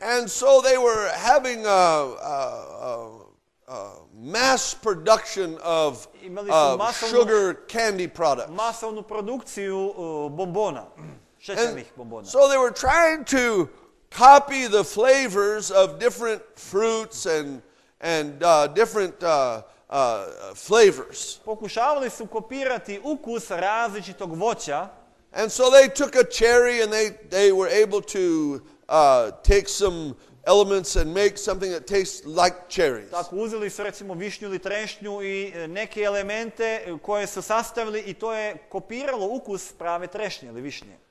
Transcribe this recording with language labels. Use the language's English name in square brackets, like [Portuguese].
[English] And so they were having a mass production of sugar candy products. [Serbian] Masovnu produkciju bombona, šećernih bombona. [English] So they were trying to copy the flavors of different fruits and different flavors. [Serbian] Pokušavali su kopirati ukus različitog voća. [English] And so they took a cherry and they were able to take some elements and make something that tastes like cherries. [Serbian] Tako uzeli su recimo višnju ili trešnju i neke elemente koje su sastavili i to je kopiralo ukus prave trešnje ili višnje.